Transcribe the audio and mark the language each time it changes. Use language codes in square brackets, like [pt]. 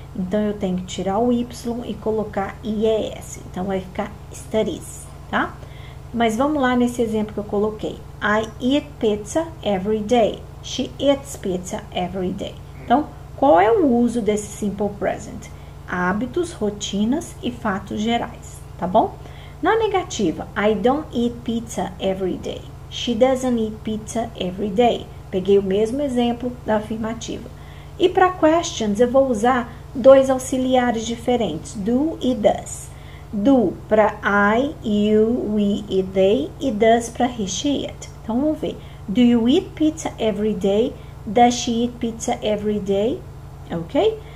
[pt] Então eu tenho que tirar o Y e colocar IES. Então vai ficar studies, tá? Mas vamos lá nesse exemplo que eu coloquei. [en] I eat pizza every day. She eats pizza every day. [pt] Então, qual é o uso desse simple present? Hábitos, rotinas e fatos gerais, tá bom? Na negativa, [en] I don't eat pizza every day. She doesn't eat pizza every day. [pt] Peguei o mesmo exemplo da afirmativa. E para questions, eu vou usar dois auxiliares diferentes: do e does. Do para I, you, we e they, e does para he, she, it. Então vamos ver. [en] Do you eat pizza every day? Does she eat pizza every day? Ok?